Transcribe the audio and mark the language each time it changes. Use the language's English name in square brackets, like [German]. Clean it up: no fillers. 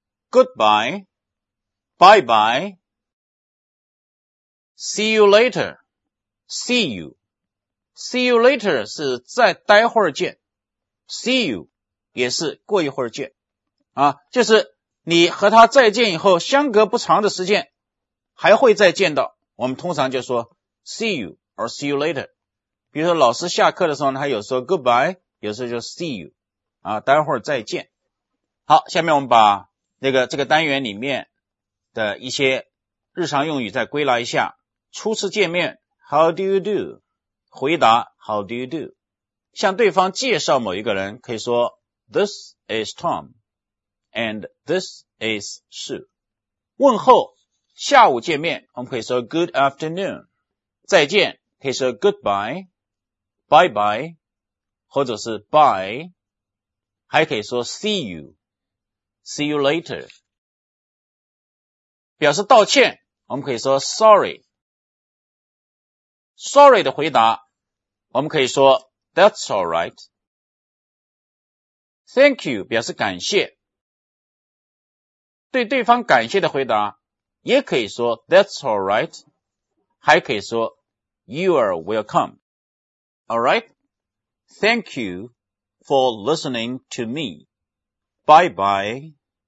[English] Goodbye, bye bye, see you later, [Chinese] see you, see you later 是再待会儿见， see you 也是过一会儿见，啊，就是你和他再见以后相隔不长的时间还会再见到，我们通常就说 [English] see you or see you later。 [Chinese] 比如说老师下课的时候呢，他有时候 [English] goodbye， [Chinese] 有时候就 [English] see you， [Chinese] 啊，待会儿再见。好，下面我们把这个单元里面的一些日常用语再归纳一下。初次见面 [English] How do you do? [Chinese] 回答 [English] How do you do? [Chinese] 向对方介绍某一个人可以说 [English] This is Tom and this is Sue。 [Chinese] 问候下午见面我们可以说 [English] Good afternoon， [Chinese] 再见可以说 [English] Goodbye， Bye bye， [Chinese] 或者是 Bye， 还可以说 [English] See youSee you later. [Chinese] 表示道歉我们可以说 [English] sorry. Sorry [Chinese] 的回答我们可以说 [English] that's alright. Thank you [Chinese] 表示感谢。对对方感谢的回答也可以说 [English] that's alright. 还可以说 you are welcome. Alright? Thank you for listening to me. Bye bye.